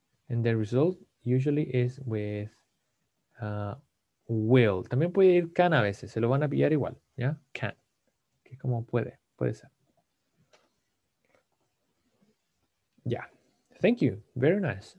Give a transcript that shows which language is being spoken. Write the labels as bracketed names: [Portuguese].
[English] And the result usually is with will. [Spanish] También puede ir can a veces, se lo van a pillar igual, ¿ya? Can, que es como puede ser. [English] Yeah, thank you, very nice.